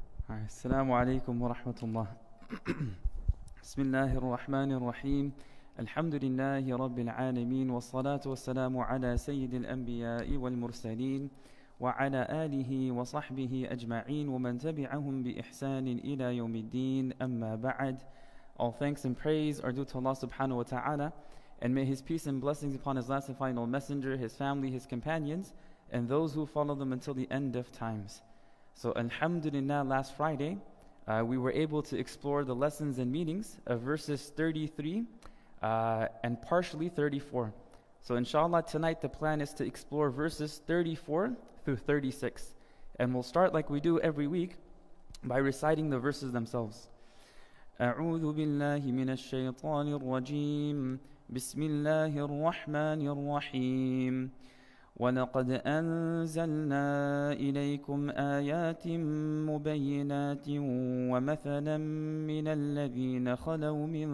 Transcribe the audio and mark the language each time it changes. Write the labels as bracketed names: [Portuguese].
[Arabic] السلام عليكم ورحمة الله. بسم الله الرحمن الرحيم. الحمد لله رب العالمين والصلاة والسلام على سيد الأنبياء والمرسلين وعلى آله وصحبه أجمعين ومن تبعهم بإحسان إلى يوم الدين أما بعد. [English] All thanks and praise are due to Allah subhanahu wa ta'ala, and may His peace and blessings upon His last and final messenger, His family, His companions, and those who follow them until the end of times. So alhamdulillah, last Friday, we were able to explore the lessons and meanings of verses 33 and partially 34. So inshallah, tonight the plan is to explore verses 34 through 36. And we'll start like we do every week by reciting the verses themselves. [Arabic] أعوذ بالله من الشيطان الرجيم بسم الله الرحمن الرحيم ولقد أنزلنا إليكم آيات مبينات ومثلا من الذين خلوا